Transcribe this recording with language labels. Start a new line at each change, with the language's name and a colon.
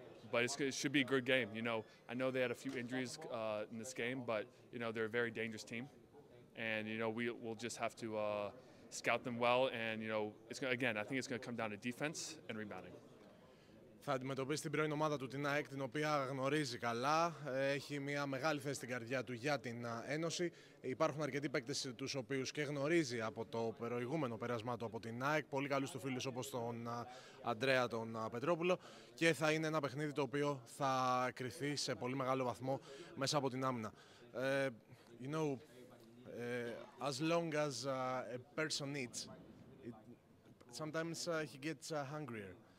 English: But it should be a good game. You know, I know they had a few injuries in this game, but you know, they're a very dangerous team, and you know, we'll just have to scout them well, and you know, I think it's going to come down to defense and rebounding.
Greek: Θα αντιμετωπίσει την πρώην ομάδα του την ΑΕΚ, την οποία γνωρίζει καλά. Έχει μια μεγάλη θέση στην καρδιά του για την Ένωση. Υπάρχουν αρκετοί παίκτες τους οποίους και γνωρίζει από το προηγούμενο πέρασμά του από την ΑΕΚ. Πολύ καλούς του φίλους όπως τον Αντρέα, τον Πετρόπουλο. Και θα είναι ένα παιχνίδι το οποίο θα κριθεί σε πολύ μεγάλο βαθμό μέσα από την άμυνα.
English: You know, as long as a person eats, sometimes he gets hungrier.